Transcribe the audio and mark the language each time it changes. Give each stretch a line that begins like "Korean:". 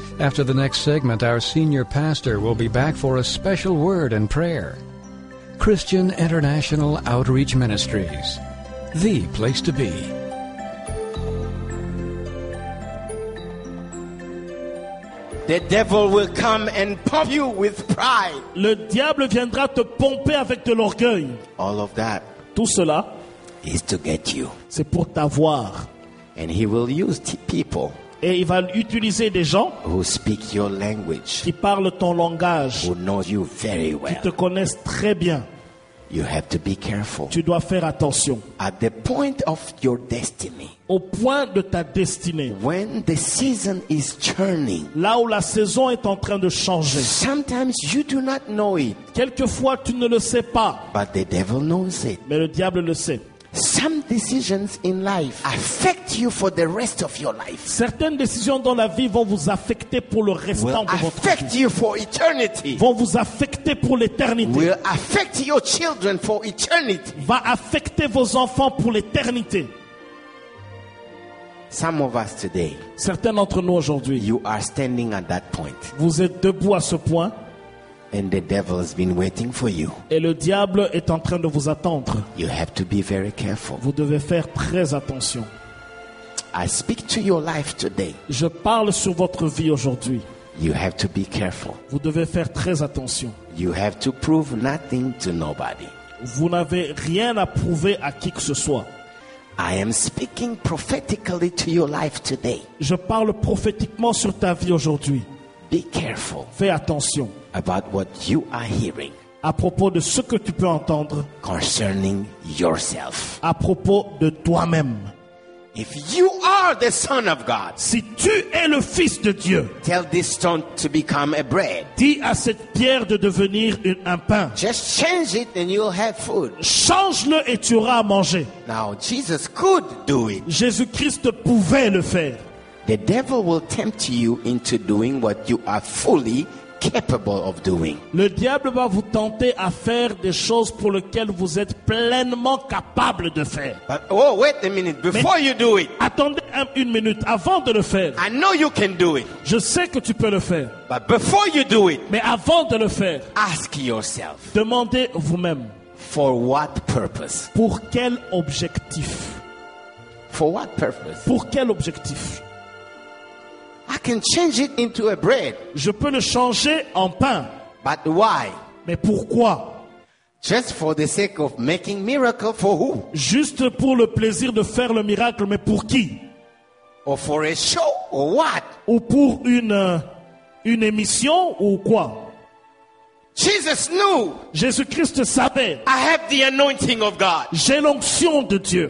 English: After the next segment, our senior pastor will be back for a special word and prayer. Christian International Outreach Ministries, the place to be. The devil will come and pump you with pride.
French: Le diable viendra te pomper avec de l'orgueil.
English: All of that.
French: Tout cela
English: is to get you.
French: C'est pour t'avoir.
English: And he will use people.
French: Et il va utiliser des gens
English: who speak your language,
French: qui parlent ton langage,
English: who know you very well,
French: qui te connaissent très bien.
English: You have to be careful.
French: Tu dois faire attention.
English: At the point of your destiny,
French: au point de ta destinée,
English: when the season is turning,
French: là où la saison est en train de changer,
English: sometimes you do not know it,
French: quelquefois tu ne le sais pas,
English: but the devil knows it,
French: mais le diable le sait.
English: Some decisions in life affect you for the rest of your life.
French: Certaines décisions dans la vie vont vous affecter pour le restant de votre vie.
English: Will affect you for eternity.
French: Vont vous affecter pour l'éternité.
English: Will affect your children for eternity.
French: Va affecter vos enfants pour l'éternité.
English: Some of us today.
French: Certains d'entre nous aujourd'hui.
English: You are standing at that point.
French: Vous êtes debout à ce point.
English: And the devil has been waiting for you.
French: Et le diable est en train de vous attendre.
English: You have to be very careful.
French: Vous devez faire très attention.
English: I speak to your life today.
French: Je parle sur votre vie aujourd'hui.
English: You have to be careful.
French: Vous devez faire très attention.
English: You have to prove nothing to nobody.
French: Vous n'avez rien à prouver à qui que ce soit.
English: I am speaking prophetically to your life today.
French: Je parle prophétiquement sur ta vie aujourd'hui.
English: Be careful.
French: Fais attention.
English: About what you are hearing.
French: À propos de ce que tu peux entendre.
English: Concerning yourself.
French: À propos de toi-même.
English: If you are the son of God.
French: Si tu es le fils de Dieu.
English: Tell this stone to become a bread.
French: Dis à cette pierre de devenir un pain.
English: Just change it and you'll have food.
French: Change-le et tu auras à manger.
English: Now Jesus could do it.
French: Jésus-Christ pouvait le faire.
English: The devil will tempt you into doing what you are fully capable of doing.
French: Le diable va vous tenter à faire des choses pour lesquelles vous êtes pleinement capable de faire.
English: But, oh, wait a minute. Before you do it.
French: Attendez une minute avant de le faire.
English: I know you can do it.
French: Je sais que tu peux le faire.
English: But before you do it.
French: Mais avant de le faire.
English: Ask yourself.
French: Demandez vous-même.
English: For what purpose?
French: Pour quel objectif?
English: For what purpose?
French: Pour quel objectif?
English: I can change it into a bread.
French: Je peux le changer en pain.
English: But why?
French: Mais pourquoi?
English: Just for the sake of making miracle for who?
French: Juste pour le plaisir de faire le miracle, mais pour qui?
English: Or for a show or what?
French: Ou pour une émission ou quoi?
English: Jesus knew.
French: Jésus-Christ savait.
English: I have the anointing of God.
French: J'ai l'onction de Dieu.